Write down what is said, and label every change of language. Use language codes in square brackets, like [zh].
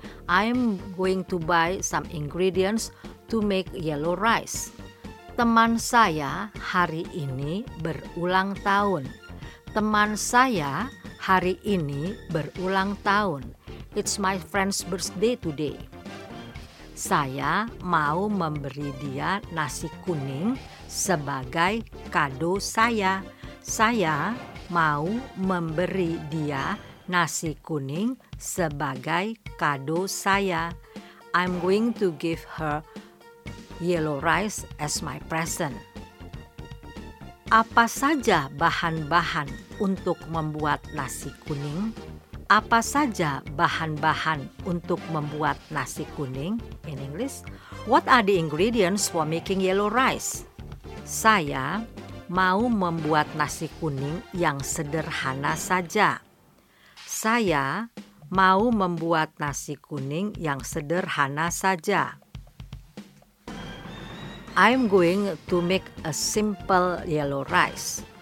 [en] I'm going to buy some ingredients to make yellow rice. [id] Teman saya hari ini berulang tahun. Teman saya hari ini berulang tahun. [en] It's my friend's birthday today. [id] Saya mau memberi dia nasi kuning sebagai kado saya. Saya mau memberi dia nasi kuning sebagai kado saya. [en] I'm going to give her yellow rice as my present. [id] Apa saja bahan-bahan untuk membuat nasi kuning? Apa saja bahan-bahan untuk membuat nasi kuning? [en] In English, what are the ingredients for making yellow rice? [id] Saya mau membuat nasi kuning yang sederhana saja. Saya mau membuat nasi kuning yang sederhana saja. [en] I'm going to make a simple yellow rice.